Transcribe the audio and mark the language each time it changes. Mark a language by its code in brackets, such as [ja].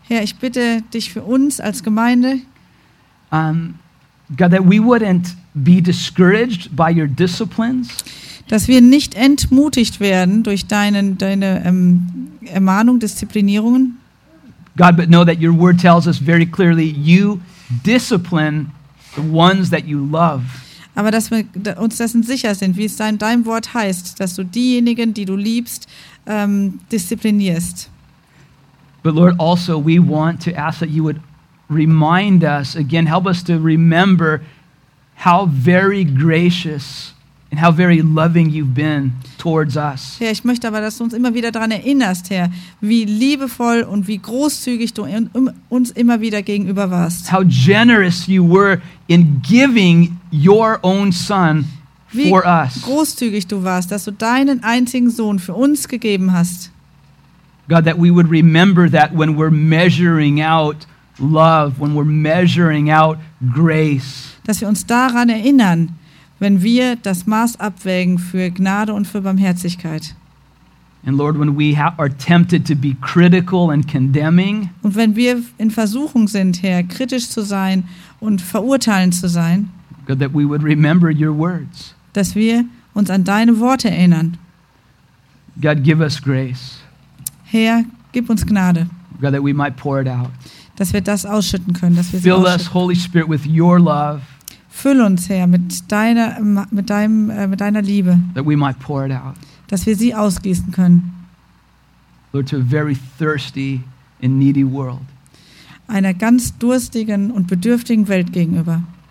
[de] Herr, ich bitte dich für uns als Gemeinde. [en] God, that we wouldn't be discouraged by your disciplines. [de] Dass wir nicht entmutigt werden durch deine Ermahnung, Disziplinierungen. [en] God, but know that your word tells us very clearly, you discipline the ones that you love. [de] Aber dass wir uns dessen sicher sind, wie es in deinem Wort heißt, dass du diejenigen, die du liebst, disziplinierst. [en] But Lord, also we want to ask that you would remind us again, help us to remember how very gracious and how very loving you've been towards us. [de] Herr, ich möchte aber, dass du uns immer wieder daran erinnerst, Herr, wie liebevoll und wie großzügig du uns immer wieder gegenüber warst. [en] How generous you were in giving your own son for us. [de] Wie großzügig du warst, dass du deinen einzigen Sohn für uns gegeben hast. [en] God, that we would remember that when we're measuring out love, when we're measuring out grace. [de] Dass wir uns daran erinnern, wenn wir das Maß abwägen für Gnade und für Barmherzigkeit. [en] And Lord, when we are tempted to be critical and condemning. [de] Und wenn wir in Versuchung sind, Herr, kritisch zu sein und verurteilend zu sein. [en] God, that we would remember your words. [de] Dass wir uns an deine Worte erinnern. [en] God, give us grace. [de] Herr, gib uns Gnade. [en] God, that we might pour it out. [de] Dass wir das ausschütten können, dass wir [en] fill [de] sie ausschütten. [en] Us, Holy Spirit, with your love. [de] Füll uns, Herr, mit deiner Liebe, [en] that we might pour it out. [de] Dass wir sie ausgießen können. [en] Lord, to a very thirsty and needy world. [de] Einer ganz durstigen und bedürftigen Welt gegenüber.